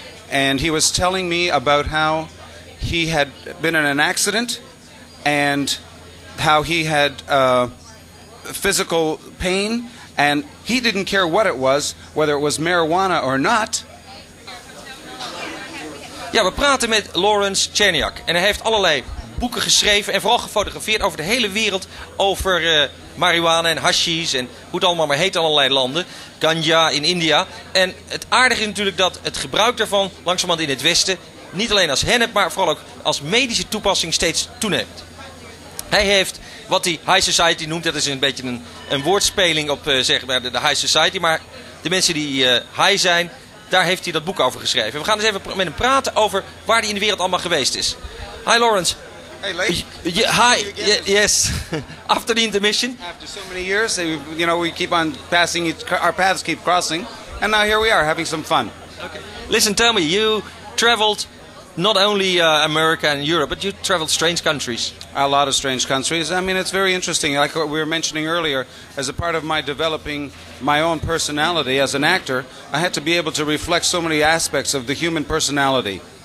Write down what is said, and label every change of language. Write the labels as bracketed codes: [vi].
[en] And he was telling me about how he had been in an accident and how he had physical pain, and he didn't care what it was, whether it was marijuana or not. [nl] Yeah, we praten met Lawrence Czerniak, and hij heeft allerlei boeken geschreven en vooral gefotografeerd over de hele wereld over marihuana en hashish en hoe het allemaal maar heet in allerlei landen. Ganja in India. En het aardige is natuurlijk dat het gebruik daarvan langzamerhand in het Westen niet alleen als hennep, maar vooral ook als medische toepassing steeds toeneemt. Hij heeft wat hij high society noemt, dat is een beetje een woordspeling op zeg maar de high society, maar de mensen die high zijn, daar heeft hij dat boek over geschreven. We gaan dus even met hem praten over waar hij in de wereld allemaal geweest is. [en] Hi Lawrence. Hey, Lake. Yes. After the intermission. After so many years, you know, we keep on passing, our paths keep crossing. And now here we are, having some fun. Okay. Listen, tell me, you traveled not only America and Europe, but you traveled strange countries. A lot of strange countries. I mean, it's very interesting. Like what we were mentioning earlier, as a part of my developing my own personality as an actor, I had to be able to reflect so many aspects of the human personality.